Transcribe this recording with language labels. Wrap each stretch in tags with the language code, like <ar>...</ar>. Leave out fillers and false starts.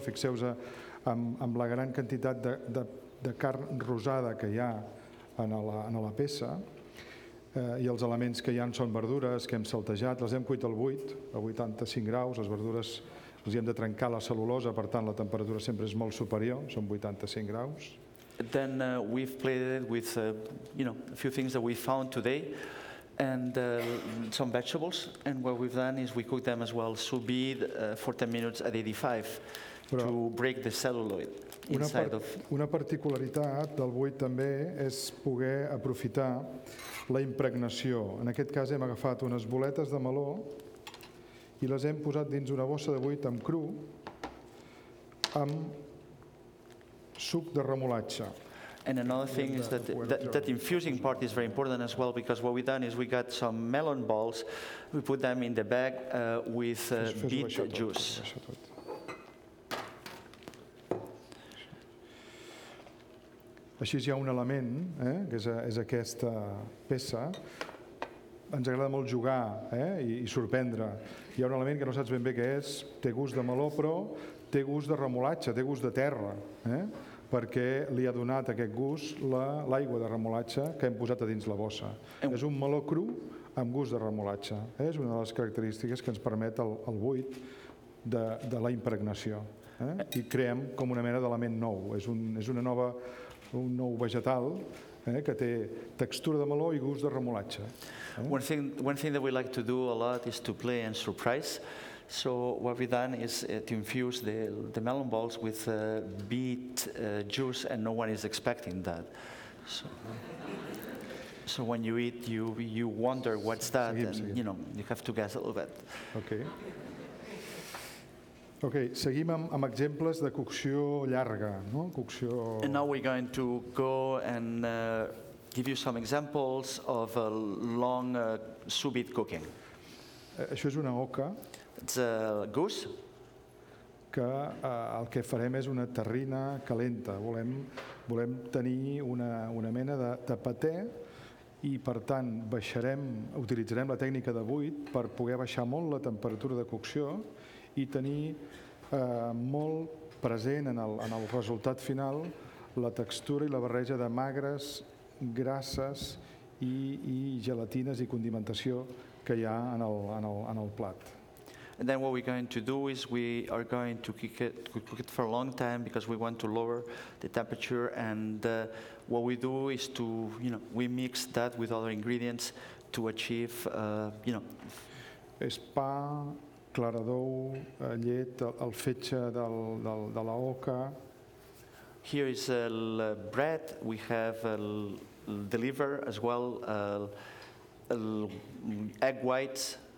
<ca>Fixeu-vos amb la gran quantitat de carn rosada que hi ha en la peça. I els elements que hi ha són verdures que hem saltejat. Les hem cuit al buit, a 85 graus. Les verdures els hem de trencar la cel·lulosa, per tant, la temperatura sempre és molt superior, són 85 graus.</ca> <en>Then we've played with you know, a few things that we found today and some vegetables, and what we've done is we cooked them as well sous vide for 10 minutes at 85 però to break the celluloid inside of.</en> <ca>Una particularitat del buit també és poder aprofitar la impregnació. En aquest cas hem agafat unes boletes de meló I les hem posat dins una bossa de buit amb cru amb suc de remolatxa.</ca> <en>And another thing is that that infusing part is very important as well, because what we've done is we got some melon balls, we put them in the bag with beet juice.</en> <ca>Així hi ha un element, que és aquesta peça. Ens agrada molt jugar i sorprendre. Hi ha un element que no saps ben bé què és, té gust de meló, però té gust de remolatxa, té gust de terra, perquè li ha donat aquest gust l'aigua de remolatxa que hem posat a dins la bossa. És un meló cru amb gust de remolatxa. És una de les característiques que ens permet el buit de la impregnació. I creem com una mena d'element nou. És una nova... un nou vegetal que té textura de meló I gust de remolatxa.</ca> <en>One thing that we like to do a lot is to play and surprise. So what we've done is to infuse the melon balls with beet juice, and no one is expecting that. So when you eat, you wonder what's that,</en> <ca>seguim.</ca> <en>You know, you have to guess a little bit.</en> <ca>Okay, seguim amb exemples de cocció llarga, no? Cocció...</ca> <en>And now we're going to go and give you some examples of a long sous vide cooking.</en> <ca>Això és una oca.</ca> <en>It's a goose.</en> <ca>Que el que farem és una terrina calenta. Volem tenir una mena de paté I, per tant, utilitzarem la tècnica de buit per poder baixar molt la temperatura de cocció I tenir molt present en el resultat final la textura I la barreja de magres, grasses I gelatines I condimentació que hi ha en el plat.</ca> <en>And then what we're going to do is we are going to cook it for a long time because we want to lower the temperature, and what we do is to, you know, we mix that with other ingredients to achieve, you know.</en> <ca>És pa, clara d'ou, llet, el fetge de la oca.</ca> <en>Here is the bread, we have the liver as well, egg whites.</en>